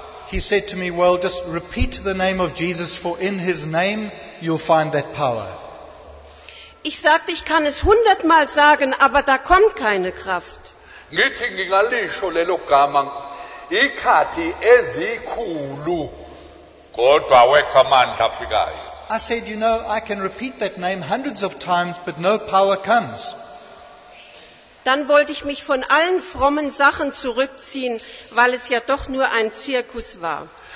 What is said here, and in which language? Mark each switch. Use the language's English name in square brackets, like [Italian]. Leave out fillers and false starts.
[English] He said to me, well, just repeat the name of Jesus, for in his name you'll find that power. [German] Ich sagte, ich kann es 100-mal sagen, aber da kommt keine Kraft. [English] I said, you know, I can repeat that name hundreds of times, but no power comes. [German] Dann wollte ich mich von allen frommen Sachen zurückziehen, weil es ja doch nur ein Zirkus war.